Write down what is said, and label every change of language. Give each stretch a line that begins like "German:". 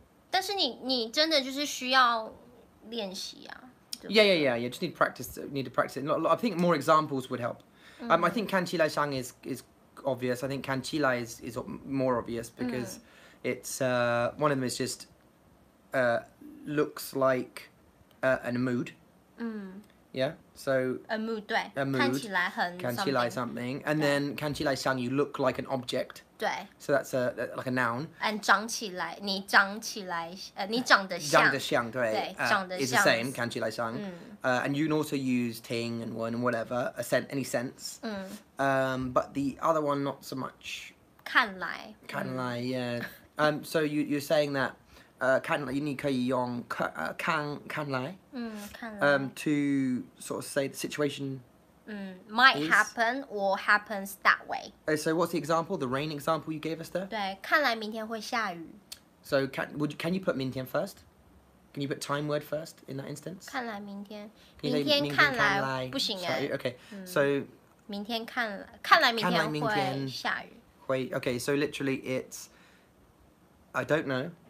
Chinese: 但是你真的就是需要练习啊。
English: Yeah, yeah, yeah, yeah. Just need practice. Need to practice it. I think more examples would help.、 Mm-hmm. I think Kan Chi Lai Shang is obvious. I think Kan Chi Lai is more obvious because、 mm-hmm. it's one of them is just looks like an mood. Mm. Yeah. So a mood, 对。 A mood.
Chinese: 看起来很。
English: Kan Chi Lai something, and then Kan Chi Lai Shang, you look like an object.
Chinese: 对
English: so that's like a noun.
Chinese: And 长起来，你长起来，你长得像。长得像，对。对，长得像。
English: Is the same,
Chinese: 看起来像。嗯。
English: And you can also use ting and wen and whatever, a sense, any sense. 嗯。 But the other one, not so much.
Chinese: 看来。看来、嗯、
English: yeah. So you're saying that,
Chinese: 看来你可以用看来。嗯，看来。
English: To sort of say the situation. Mm, might happen or happens that way. So what's the example? The rain example you gave us there?
Chinese: 对，看来明天会下雨。
English: So can you put 明天 first? Can you put time word first in that instance?
Chinese: 看来明天，明天看来不行
English: 哎。Okay, so
Chinese: 明天看来明天会下雨。
English: Wait, okay, so literally it's I don't know、